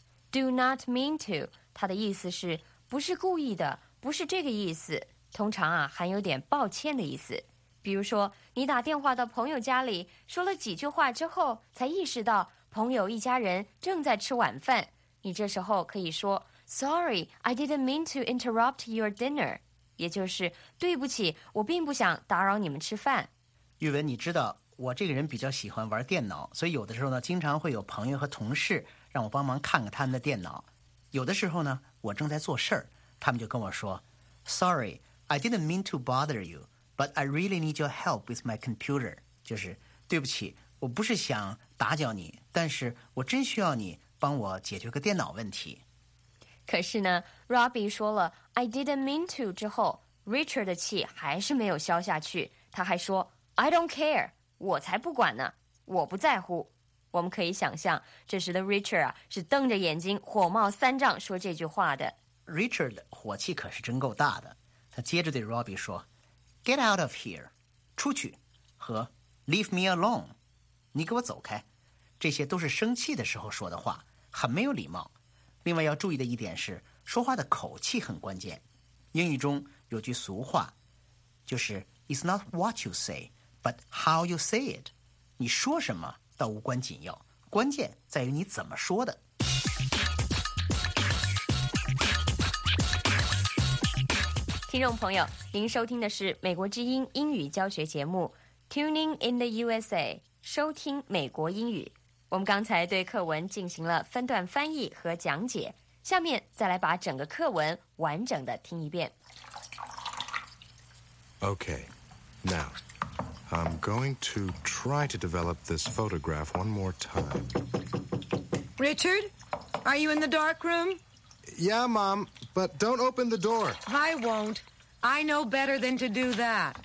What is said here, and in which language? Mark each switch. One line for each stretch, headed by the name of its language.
English: Do not mean to.
Chinese: 他的意思是不是故意的，不是这个意思。通常啊含有点抱歉的意思。比如说你打电话到朋友家里说了几句话之后才意识到朋友一家人正在吃晚饭。你这时候可以说
English: Sorry, I didn't mean to interrupt your dinner.
Chinese: 也就是对不起，我并不想打扰你们吃饭。宇文，你知道我这个人比较喜欢玩电脑，所以有的时候呢经常会有朋友和同事让我帮忙看看他们的电脑。有的时候呢我正在做事儿，他们就跟我说
English: Sorry, I didn't mean to bother you, but I really need your help with my computer.
Chinese: 就是对不起，我不是想打搅你，但是我真需要你帮我解决个电脑问题。可是呢 ，Robbie 说了
English: "I didn't mean to"
Chinese: 之后 ，Richard 的气还是没有消下去。他还说
English: "I don't care,"
Chinese: 我才不管呢，我不在乎。我们可以想象，这时的 Richard 啊是瞪着眼睛火冒三丈说这句话的。 Richard 火气可是真够大的。他接着对 Robbie 说
English: "Get out of here,"
Chinese: 出去，和
English: "Leave me alone,"
Chinese: 你给我走开。这些都是生气的时候说的话，很没有礼貌。另外要注意的一点是说话的口气很关键。英语中有句俗话就是
English: It's not what you say, but how you say it.
Chinese: 你说什么倒无关紧要，关键在于你怎么说的。听众朋友，您收听的是美国之音英语教学节目 Tuning in the USA， 收听美国英语。我们刚才对课文进行了分段翻译和讲解，下面再来把整个课文完整的听一遍。
English: Okay, now, I'm going to try to develop this photograph one more time. Richard, are you in the dark room? Yeah, Mom, but don't open the door. I won't. I know better than to do that.